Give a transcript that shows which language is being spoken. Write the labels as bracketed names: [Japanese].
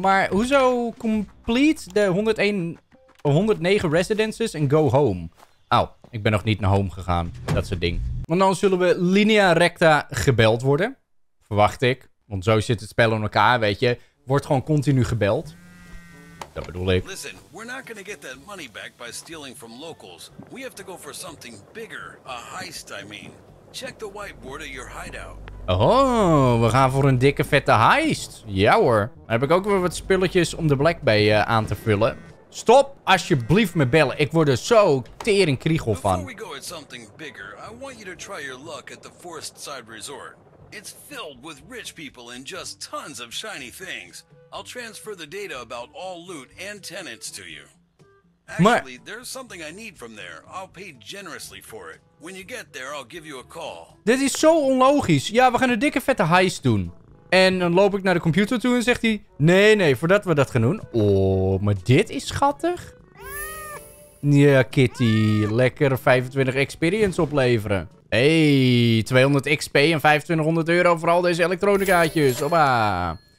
[Dutch] Maar hoezo complete de 109 residences en [English] go home? [Dutch] Au, ik ben nog niet naar home gegaan. Dat soort ding. Want dan zullen we linea recta gebeld worden. Verwacht ik. Want zo zit het spel in elkaar, weet je. Wordt gewoon continu gebeld. Dat bedoel ik. [English] Listen, we're not gonna get that money back by stealing from locals. We have to go for something bigger. A heist, I mean. Check the whiteboard of your hideout. [Dutch] Oh, we gaan voor een dikke vette heist. Ja hoor. Dan heb ik ook weer wat spulletjes om de Black Bay aan te vullen. Stop alsjeblieft me bellen. Ik word er zo tering kriegel van. [English] Before we go at something bigger, I want you to try your luck at the Forest Side Resort. It's filled with rich people and just tons of shiny things. I'll transfer the data about all loot and tenants to you. Actually, there's something I need from there. I'll pay generously for it. When you get there, I'll give you a call. [Dutch] Dit is zo onlogisch. Ja, we gaan een dikke vette heist doen. En dan loop ik naar de computer toe en zegt hij... Nee, nee, voordat we dat gaan doen... Oh, maar dit is schattig. Ja, Kitty. Lekker 25 experience opleveren. Hey, 200 XP en €2500 voor al deze elektronicaatjes. Hoppa.